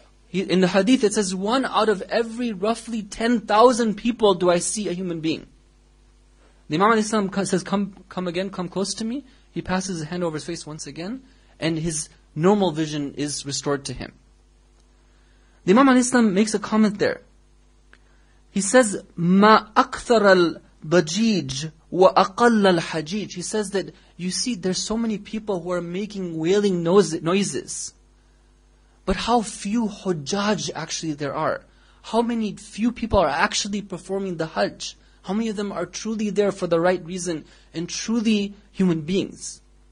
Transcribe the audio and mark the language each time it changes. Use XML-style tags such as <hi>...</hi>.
<en>In the hadith it says, one out of every roughly 10,000 people do I see a human being. The Imam alayhi salam says, come again, come close to me. He passes his hand over his face once again, and his normal vision is restored to him. The Imam alayhi salam makes a comment there. He says,</en> <ar>مَا أَكْثَرَ الْبَجِيجِ وَأَقَلَّ الْحَجِيجِ.</ar> <en>He says that, you see, there's so many people who are making wailing noises. But how few hujjaj actually there are. How many few people are actually performing the hajj. How many of them are truly there for the right reason and truly human beings?</en>